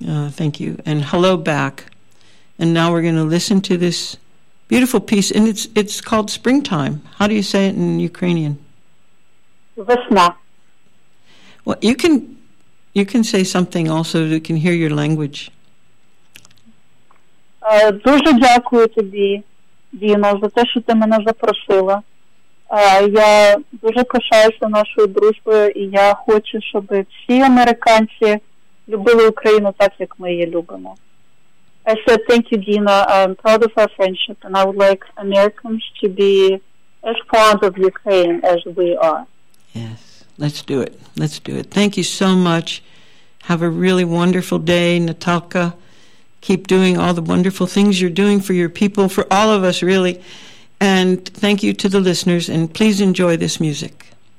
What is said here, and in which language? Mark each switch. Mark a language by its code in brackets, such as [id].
[en] Thank you. And hello back. And now we're going to listen to this beautiful piece. And it's called Springtime. How do you say it in Ukrainian? [uk] Vesna. [en] Well, you can say something also so you can hear your language. [uk] Дуже дякую тобі, Діно, за те, що ти мене запросила. Я дуже пишаюся нашою дружбою, і я хочу, щоб всі американці любили Україну так, як ми її любимо. [en] I said, thank you, Dina. I'm proud of our friendship, and I would like Americans to be as fond of Ukraine as we are. Yes, let's do it. Let's do it. Thank you so much. Have a really wonderful day, Natalka. Keep doing all the wonderful things you're doing for your people, for all of us, really. And thank you to the listeners, and please enjoy this music.